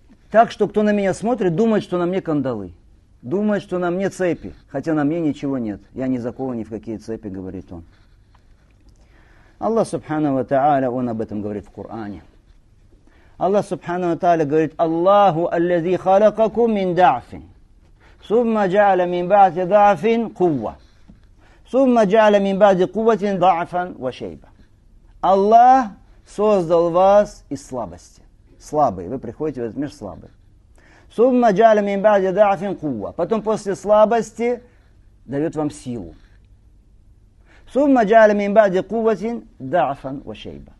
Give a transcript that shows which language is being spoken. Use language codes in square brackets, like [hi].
[ru] Так что кто на меня смотрит, думает, что на мне кандалы. Думает, что на мне цепи. Хотя на мне ничего нет. Я не закован ни в какие цепи, говорит он. Аллах Субхану ва Тааля, он об этом говорит в Коране. Аллах Субхану ва Тааля говорит, [ar] Аллаху аллази халакакум мин дафин. ثم جعل من بعد ضعف قوة ثم جعل من بعد قوة ضعفا وشيبة. [ru] Аллах создал вас из слабости. Слабые. Вы приходите в этот мир слабые. [ar] Сумма джаля мин бади дафин кува. [ru] Потом после слабости дает вам силу. [ar] Сумма джаля мин бади куватин дафан вашейба.